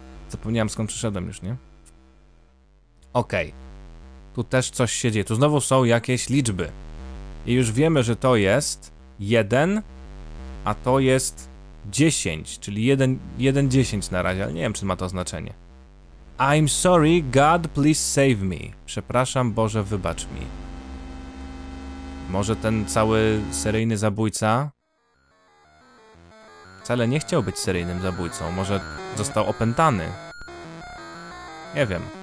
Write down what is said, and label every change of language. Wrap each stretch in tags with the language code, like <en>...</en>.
<pl>Zapomniałem, skąd przyszedłem już, nie? Okej. Tu też coś się dzieje. Tu znowu są jakieś liczby. I już wiemy, że to jest 1, a to jest 10, czyli 1, 10 na razie, ale nie wiem, czy ma to znaczenie.</pl> <en>I'm sorry, God, please save me.</en> <pl>Przepraszam, Boże, wybacz mi. Może ten cały seryjny zabójca wcale nie chciał być seryjnym zabójcą. Może został opętany. Nie wiem.</pl>